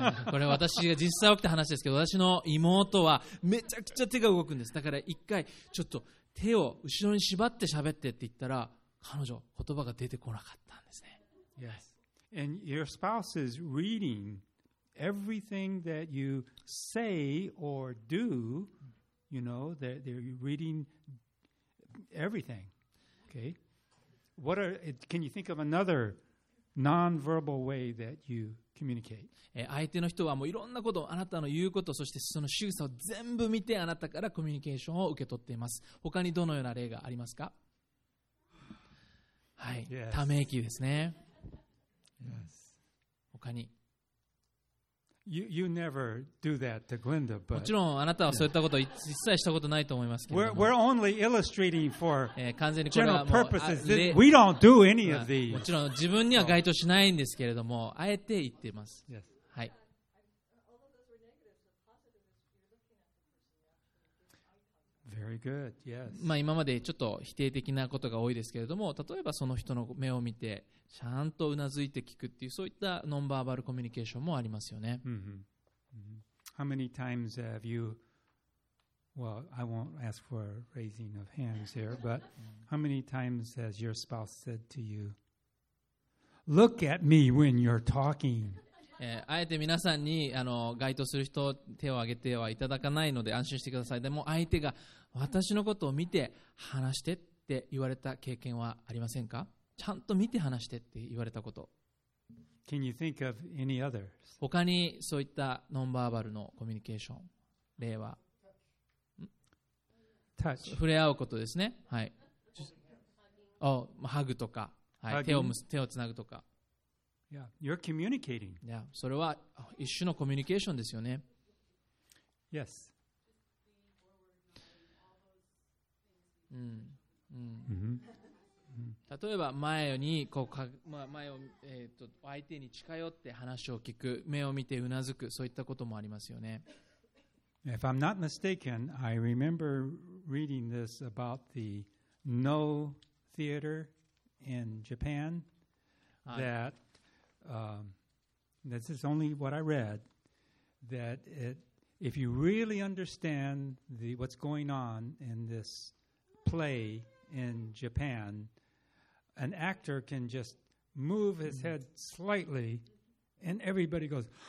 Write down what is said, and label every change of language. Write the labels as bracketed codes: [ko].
[ja] これ私が実際起きた話ですけど、私の妹はめちゃくちゃ手が動くんです。だから一回ちょっと手を後ろに縛って喋ってって言ったら、彼女言葉が出てこなかったんですね。 [en] Yes. And your spouse is reading everything that you say or do, you know, they're reading everything. Okay. What are, can you think of another non-verbal way that youcommunicate. [ja] 相手の人はもういろんなことを、あなたの言うこと、そしてその仕草を全部見て、あなたからコミュニケーションを受け取っています。他にどのような例がありますか。はい、 [en] yes. [ja] ため息ですね、 [en] yes. [ja] 他に [en] you never do that to Glenda, but... [ja] もちろんあなたはそういったことを一切したことないと思いますけども [en] 、we're only illustrating for [ja] 完全にこれは [en] もう、we don't do any of these. [ja] もちろん自分には該当しないんですけれども、あえて言っています、 [en] yes. [ja] はい、 [en] Very good. Yes. [ja] まあ今までちょっと否定的なことが多いですけれども、例えばその人の目を見てちゃんとうなずいて聞くっていう、そういったノンバーバルコミュニケーションもありますよね。 Mm-hmm. Mm-hmm. [en] How many times have you, well, I won't ask for raising of hands here, but how many times has your spouse said to you, look at me when you're talking? [ja] あえて皆さんに該当する人手を挙げてはいただかないので安心してください。でも相手が私のことを見て話してって言われた経験はありませんか？ちゃんと見て話してって言われたこと。 [en] Can you think of any others? [ja] 他にそういったノンバーバルのコミュニケーション例は、 [en] Touch. [ja] 触れ合うことですね。はい。ハグとか、手をつなぐとか。 [en] Yeah, you're communicating. [ja] Yeah, それは一種のコミュニケーションですよね。 [en] Yes. [ja] うん。例えば前に相手に近寄って話を聞く、目を見てうなずく、そういったこともありますよね。 [en] If I'm not mistaken, I remember reading this about the No Theater in Japan. That this is only what I read. That it, if you really understand the what's going on in this play in Japan, an actor can just move his head slightly, and everybody goes.